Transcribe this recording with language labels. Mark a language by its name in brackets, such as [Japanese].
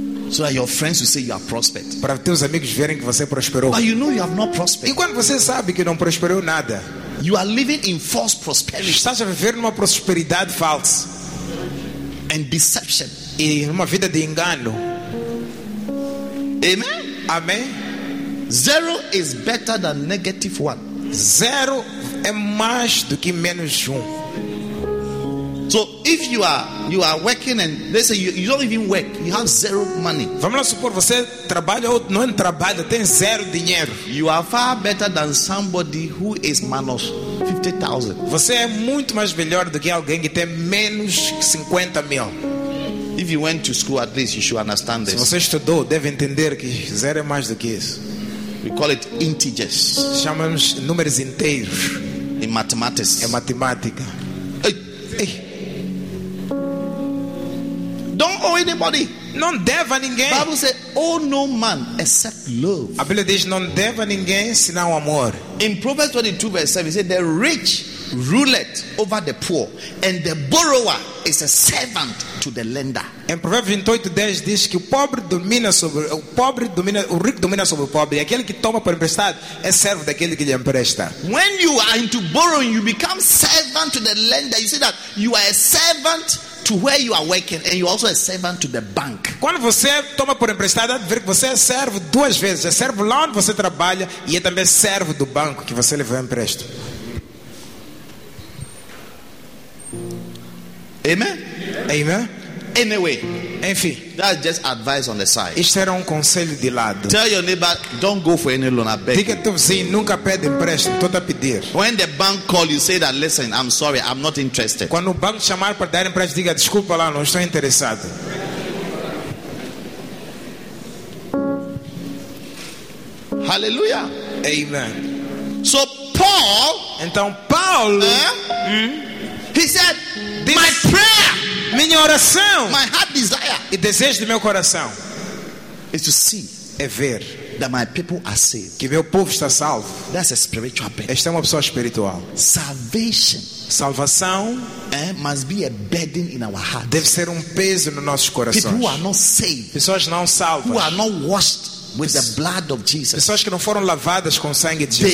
[English] So that your friends will say you are prospered. [Portuguese] Para teus amigos verem que você prosperou. [English] But you know you have not prospered. [Portuguese] E quando você sabe que não prosperou nada? [English] You are living in false prosperity. [Portuguese] Estás a viver numa prosperidade falsa. [English] And deception. [Portuguese] E numa vida de engano. [English] Amen. [Portuguese] Amém. [English] Zero is better than negative one. [Portuguese] Zero é mais do que menos um. [English] So if you are working and let's say you don't even work, you have zero money. [Portuguese] Vamos lá supor, você trabalha ou não trabalha, tem zero dinheiro. [English] You are far better than somebody who is minus 50,000. [Portuguese] Você é muito mais melhor do que alguém que tem menos 50 mil. [English] If you went to school, at least you should understand this. [Portuguese] Se você estudou, deve entender que zero é mais do que isso. [English] We call it integers. [Portuguese] Chamamos números inteiros. [English] In mathematics. [Portuguese] É matemática. [English] Hey. Don't owe anybody. [Portuguese] Não deve a ninguém. [English] Bible says, owe no man except love. [Portuguese] A Bíblia diz, não deve a ninguém senão amor. [English] In Proverbs 22 verse 7, it says, the rich ruleth over the poor, and the borrower is a servant to the lender. [Portuguese] Em Provérbios 28:10 diz que o rico domina sobre o pobre, e aquele que toma para emprestar é servo daquele que lhe empresta. [English] When you are into borrowing, you become servant to the lender. You see that you are a servant to where you are working, and you are also a servant to the bank. [Portuguese] Quando você toma por emprestado, ver que você é servo duas vezes, é servo lá onde você trabalha e é também servo do banco que você levou empréstimo. [English] Amen. [Portuguese] Amen. [English] Anyway, [Portuguese] enfim, [English] that's just advice on the side. [Portuguese] Isto era conselho de lado. [English] Tell your neighbor, don't go for any loan. I beg. [Portuguese] Diga teu vizinho, nunca pede empréstimo. Estou a pedir. [English] When the bank call, you say that, listen, I'm sorry, I'm not interested. [Portuguese] Quando o banco chamar para dar empréstimo, diga desculpa lá, não estou interessado. [English] Hallelujah. [Portuguese] Amen. [English] So Paul. [Portuguese] Então Paulo. [English] He said, this, my prayer, [Portuguese] minha oração, [English] my heart desire, [Portuguese] e desejo do meu coração, [English] is to see, [Portuguese] é ver, [English] that my people are saved, [Portuguese] que meu povo está salvo. [English] That's a spiritual burden. [Portuguese] Esta é uma pessoa espiritual. [English] Salvation, [Portuguese] salvação, [English] must be a burden in our hearts. [Portuguese] Deve ser peso no nossos corações. [English] People who are not saved, [Portuguese] pessoas não salvas, [English] who are not washed with the blood of Jesus, [Portuguese] pessoas que não foram lavadas com o sangue de Jesus,